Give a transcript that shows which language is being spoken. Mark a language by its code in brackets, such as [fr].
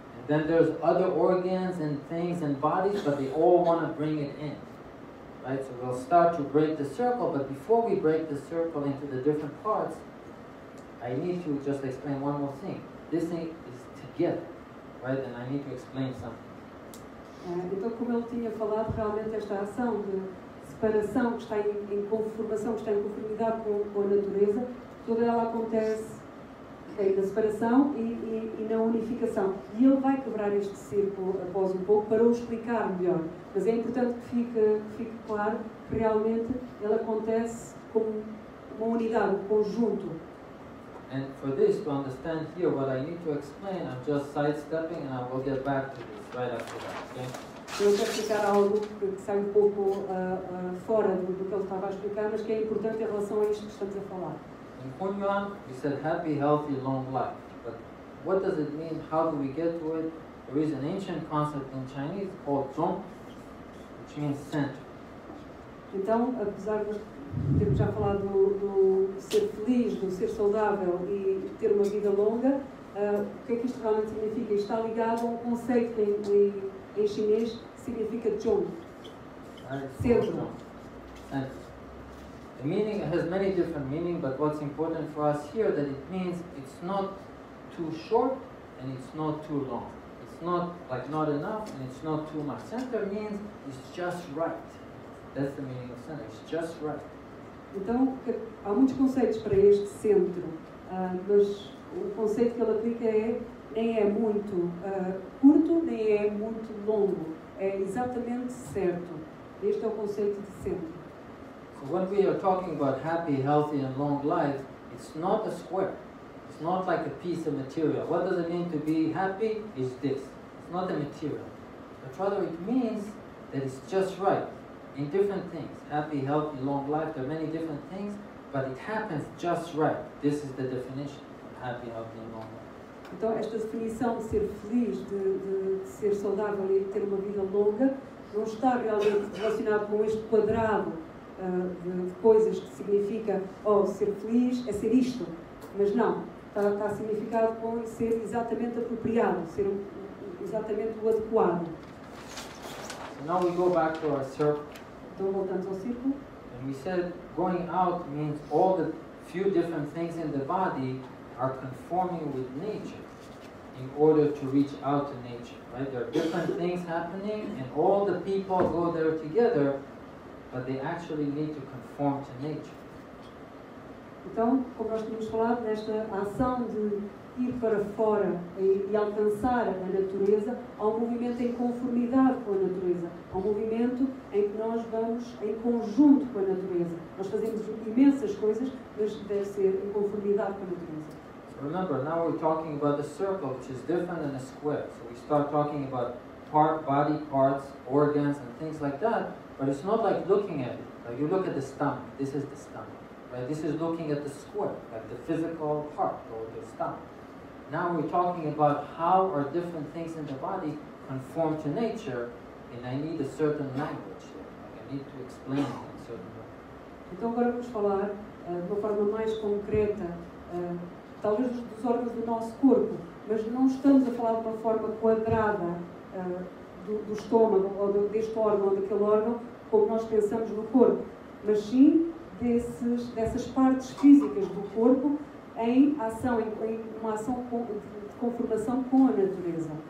[en] And then there's other organs and things and bodies, but they all want to bring it in. Right, so we'll start to break the circle, but before we break the circle into the different parts, I need to just explain one more thing. This thing is together, right? And I need to explain something. [pt] Então, como ele tinha falado, realmente esta ação de separação que está em conformação, que está em conformidade com a natureza, toda ela acontece na separação e na unificação. E ele vai quebrar este círculo após um pouco para o explicar melhor. Mas é importante que fique claro que realmente ele acontece como uma unidade, um conjunto. [en] And for this to understand here what I need to explain, I'm just sidestepping and I will get back to this right after that, okay? [pt] Eu quero explicar algo que sai um pouco fora do que ele estava a explicar, mas que é importante em relação a isto que estamos a falar. [en] In Kunyuan, we said happy, healthy, long life. But what does it mean? How do we get to it? There is an ancient concept in Chinese called Zhong, which means center. [pt] Então, apesar de termos já falado do ser feliz, do ser saudável e ter uma vida longa, o que é que isto realmente significa? Isto está ligado a um conceito em chinês que significa Zhong, centro. [en] The meaning has many different meanings, but what's important for us here that it means it's not too short and it's not too long. It's not like not enough and it's not too much. Center means it's just right. That's the meaning of center. It's just right. [pt] Então, há muitos conceitos para este centro, mas o conceito que ele aplica é nem é muito curto, nem é muito longo. É exatamente certo. Este é o conceito de centro. [en] When we are talking about happy, healthy, and long life, it's not a square. It's not like a piece of material. What does it mean to be happy? It's this. It's not a material. But rather, it means that it's just right in different things. Happy, healthy, long life, there are many different things, but it happens just right. This is the definition of happy, healthy, and long life. [pt] Então, esta definição de ser feliz, de ser saudável e ter uma vida longa, não está realmente relacionado com este quadrado. De coisas que significa ser feliz é ser isto, mas não, está significado com ser exatamente apropriado, ser exatamente o adequado. [en] So now we go back to our circle. [pt] Então voltamos ao círculo. [en] And we said going out means all the few different things in the body are conforming with nature in order to reach out to nature, right? There are different things happening and all the people go there together, but they actually need to conform to nature. [pt] Então, como nós tínhamos falado, nesta ação de ir para fora e alcançar a natureza, há um movimento em conformidade com a natureza. Há um movimento em que nós vamos em conjunto com a natureza. Nós fazemos imensas coisas, mas deve ser em conformidade com a natureza. [en] So remember, now we're talking about a circle, which is different than a square. So we start talking about part, body parts, organs, and things like that. But it's not like looking at it. Like you look at the stomach. This is the stomach. Right? This is looking at the square, like the physical part or the stomach. Now we're talking about how are different things in the body conform to nature, and I need a certain language. Like I need to explain it in a certain way. [pt] Então agora vamos falar de uma forma mais concreta, talvez dos órgãos do nosso corpo, mas não estamos a falar de uma forma quadrada. Do estômago, ou deste órgão, ou daquele órgão, como nós pensamos no corpo, mas sim dessas partes físicas do corpo em ação, em uma ação de conformação com a natureza.